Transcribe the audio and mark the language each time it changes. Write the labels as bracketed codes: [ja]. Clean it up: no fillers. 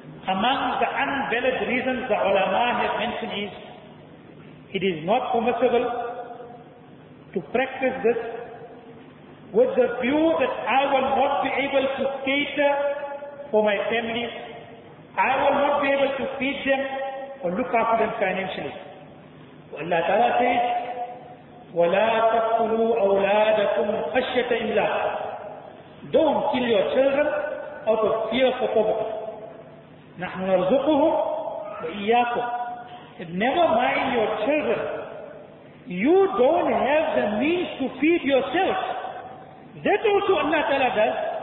[en] Among the unvalid reasons the ulama have mentioned is, it is not permissible to practice this with the view that I will not be able to cater for my family, I will not be able to feed them or look after them financially. Allah Ta'ala says, [ar] وَلَا تَقْتُلُوا أَوْلَادَكُمْ خَشْيَةَ إِمْلَاكُ. [en] Don't kill your children out of fear for poverty. [ar] نَحْنُ نَرْزُقُهُمْ وَإِيَّاكُمْ. [en] Never mind your children. You don't have the means to feed yourself. That also Allah Ta'ala does.